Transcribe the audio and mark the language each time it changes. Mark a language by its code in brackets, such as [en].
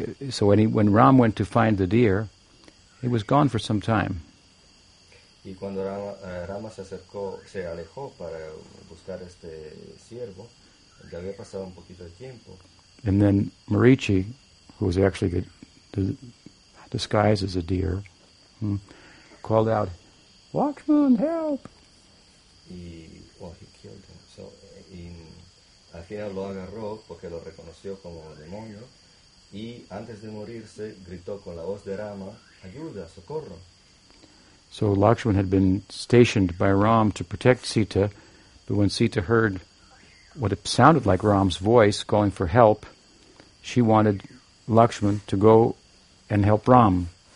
[en] So when Ram went to find the deer, it was gone for some time. [es] Y cuando Rama se acercó, se alejó para buscar este ciervo, ya había pasado un poquito de tiempo. [en] And then Marichi, who was actually disguised as a deer, called out, "Lakshman, help!" He killed him. [es] So al final lo agarró porque lo reconoció como demonio. Y antes de morirse, gritó con la voz de Rama, ayuda, socorro. [en] So Lakshman had been stationed by Ram to protect Sita, but when Sita heard what it sounded like Ram's voice calling for help, she wanted Lakshman to go and help Ram.